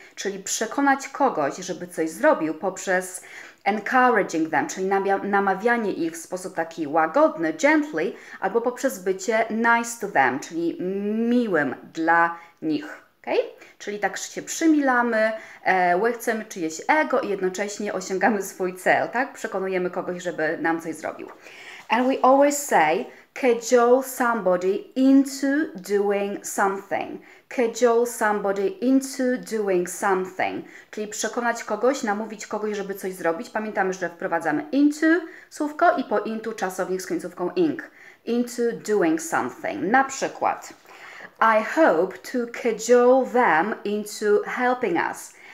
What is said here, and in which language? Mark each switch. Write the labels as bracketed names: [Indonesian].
[Polish] Czyli przekonać kogoś, żeby coś zrobił poprzez [English] encouraging them, [Polish] czyli namawianie ich w sposób taki łagodny, [English] gently, [Polish] albo poprzez bycie [English] nice to them, [Polish] czyli miłym dla nich. Okay? Czyli tak się przymilamy, łechcemy czyjeś ego i jednocześnie osiągamy swój cel, tak? Przekonujemy kogoś, żeby nam coś zrobił. [English] And we always say, cajole somebody into doing something. Cajole somebody into doing something. [Polish] Czyli przekonać kogoś, namówić kogoś, żeby coś zrobić. Pamiętamy, że wprowadzamy into słówko i po into czasownik z końcówką ing. [English] Into doing something. [Polish] Na przykład, [English] I hope to cajole them into helping us.